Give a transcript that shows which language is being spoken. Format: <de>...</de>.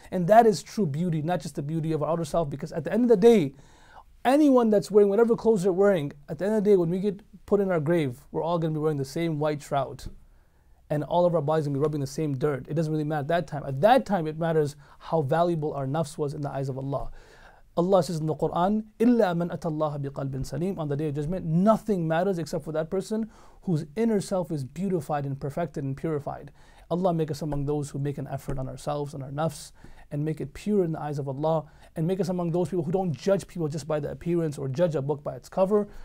<en>And that is true beauty, not just the beauty of our outer self. Because at the end of the day, anyone that's wearing whatever clothes they're wearing, at the end of the day, when we get put in our grave, we're all going to be wearing the same white shroud. And all of our bodies are going to be rubbing the same dirt. It doesn't really matter at that time. At that time, it matters how valuable our nafs was in the eyes of Allah. Allah says in the Quran,</en> <ar>إِلَّا مَنْ أَتَى اللَّهَ بِقَلْبٍ سَلِيمٍ.</ar> <en>On the day of judgment, nothing matters except for that person whose inner self is beautified and perfected and purified. Allah make us among those who make an effort on ourselves and our nafs, and make it pure in the eyes of Allah, and make us among those people who don't judge people just by the appearance or judge a book by its cover.</en>